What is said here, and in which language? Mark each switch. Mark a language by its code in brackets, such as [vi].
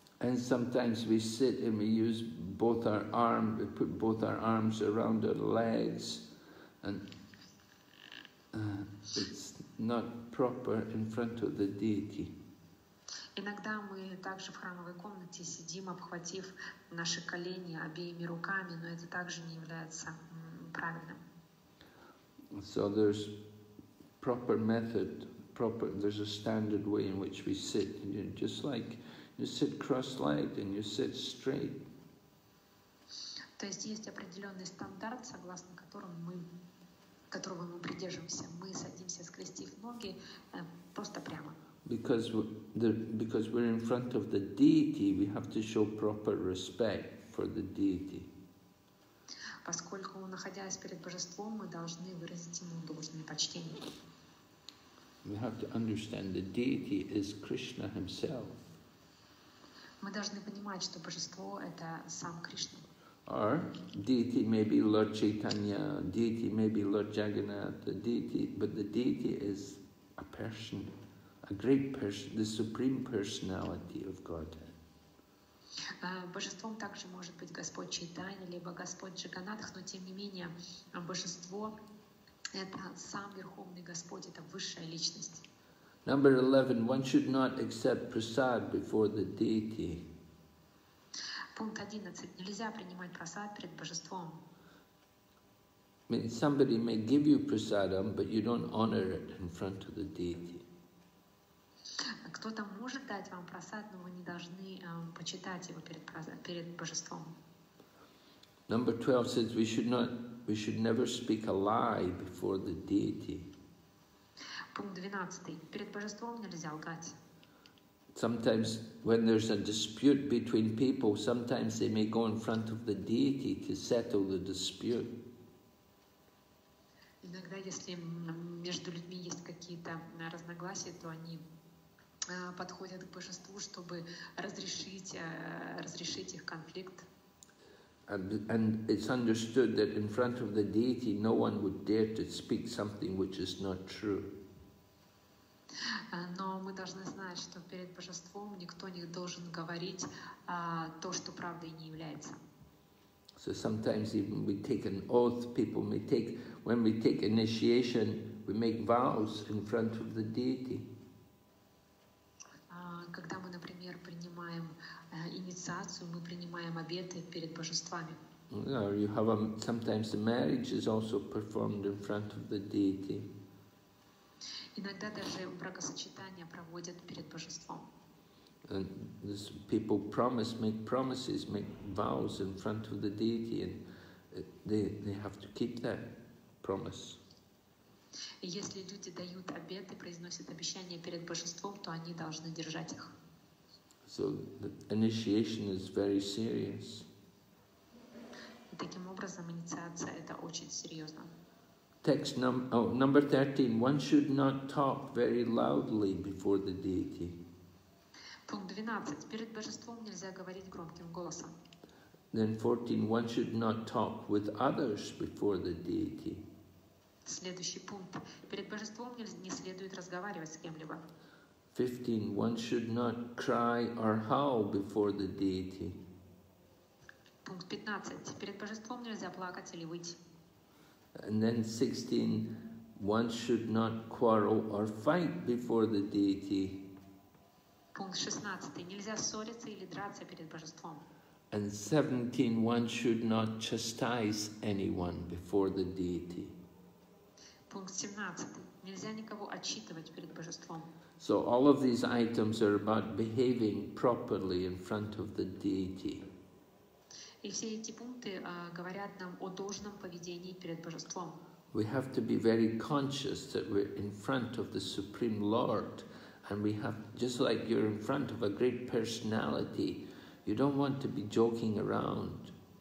[en] And sometimes we sit and we use both our arms, we put both our arms around our legs, and it's not proper in front of the deity. [ru] Иногда мы также в храмовой комнате сидим, обхватив наши колени обеими руками, но это также не является правильным. [en] So there's proper method, proper. There's a standard way in which we sit, and you know, just like. You sit cross-legged and you sit straight. [ru] То есть есть определенный стандарт, согласно которого мы придерживаемся. Мы садимся, скрестив ноги, просто прямо. [en] Because we're in front of the deity, we have to show proper respect for the deity. [ru] Поскольку, находясь перед божеством, мы должны выразить ему должное почтение. [en] We have to understand the deity is Krishna himself. [ru] Мы должны понимать, что божество — это сам Кришна. [en] Or deity may be Lord Chaitanya, deity may be Lord Jagannath, but the deity is a person, a great person, the supreme personality of Godhead. [ru] Божеством также может быть Господь Чайтанья, либо Господь Джаганатх, но тем не менее божество — это сам Верховный Господь, это высшая личность. [en] Number 11, one should not accept prasad before the deity. [ru] Пункт 11. Нельзя принимать прасад перед божеством. [en] I mean, somebody may give you prasadam, but you don't honor it in front of the deity. [ru] Кто-то может дать вам прасад, но вы не должны почитать его перед божеством. [en] Number 12 says we should not, we should never speak a lie before the deity. [ru] Пункт 12. Перед божеством нельзя лгать. [en] Sometimes when there's a dispute between people, sometimes they may go in front of the deity to settle the dispute. [ru] Иногда, если между людьми есть какие-то разногласия, то они подходят к божеству, чтобы разрешить их конфликт. [en] And it's understood that in front of the deity, no one would dare to speak something which is not true. [ru] Но мы должны знать, что перед божеством никто не должен говорить то, что правдой не является. [en] So sometimes even we take an oath, people may take, when we take initiation, we make vows in front of the deity. [ru] Когда мы, например, принимаем инициацию, мы принимаем обеты перед божествами. [en] Or you have sometimes the marriage is also performed in front of the deity. [ru] Иногда даже бракосочетания проводят перед божеством. [en] And these people promise, make promises, make vows in front of the deity, and they have to keep that promise. [ru] Если люди дают обеты, произносят обещания перед божеством, то они должны держать их. [en] So the initiation is very serious. [ru] И таким образом, инициация это очень серьезно. [en] Text number 13. One should not talk very loudly before the deity. [ru] Пункт 12. Перед божеством нельзя говорить громким голосом. [en] Then 14. One should not talk with others before the deity. [ru] Следующий пункт. Перед божеством не следует разговаривать с кем-либо. [en] 15. One should not cry or howl before the deity. [ru] Пункт 15. Перед божеством нельзя плакать или выть. [en] And then 16, one should not quarrel or fight before the deity. [ru] Пункт 16. Нельзя ссориться или драться перед божеством. [en] And 17, one should not chastise anyone before the deity. [ru] Пункт 17. Нельзя никого отчитывать перед божеством. [en] So all of these items are about behaving properly in front of the deity. [ru] И все эти пункты говорят нам о должном поведении перед божеством. [en] We have to be very conscious that we're in front of the Supreme Lord, and we have, just like you're in front of a great personality, you don't want to be joking around.